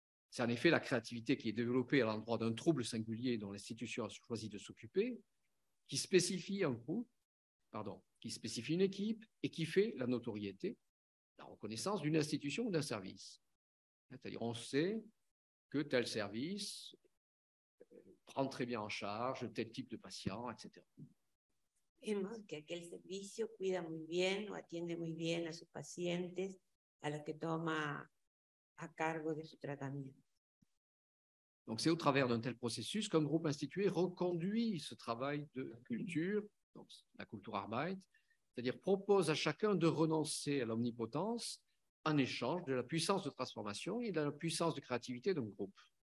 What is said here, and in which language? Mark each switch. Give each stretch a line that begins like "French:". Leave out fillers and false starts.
French: C'est en effet la créativité qui est développée à l'endroit d'un trouble singulier dont l'institution a choisi de s'occuper, qui spécifie un groupe, qui spécifie une équipe et qui fait la notoriété, la reconnaissance d'une institution ou d'un service. C'est-à-dire, on sait que tel service prend très bien en charge tel type de patient, etc.
Spanish: Vemos que aquel servicio cuida muy bien o atiende muy bien a sus pacientes, a los que toma a cargo de su tratamiento.
French: Donc c'est au travers d'un tel processus qu'un groupe institué reconduit ce travail de culture, donc la culture Arbeit, c'est-à-dire propose à chacun de renoncer à l'omnipotence en échange de la puissance de transformation et de la puissance de créativité d'un groupe.